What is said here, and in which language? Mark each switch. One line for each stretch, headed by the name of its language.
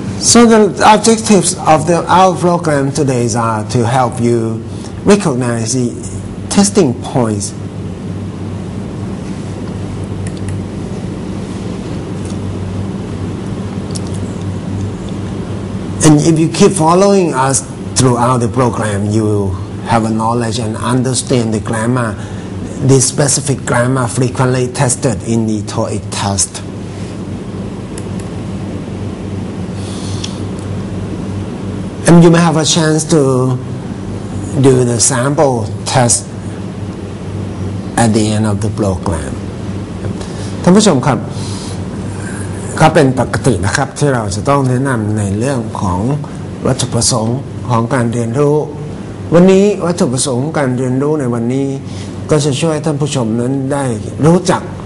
English: so the objectives of our program today are to help you recognize the testing pointsAnd if you keep following us throughout the program, you will have a knowledge and understand the grammar, the specific grammar frequently tested in the TOEIC test. And you may have a chance to do the sample test at the end of the program.
Thai: ท่านผู้ชมครับก็เป็นปกตินะครับที่เราจะต้องแนะนำในเรื่องของวัตถุประสงค์ของการเรียนรู้วันนี้วัตถุประสงค์การเรียนรู้ในวันนี้ก็จะช่วยท่านผู้ชมนั้นได้รู้จัก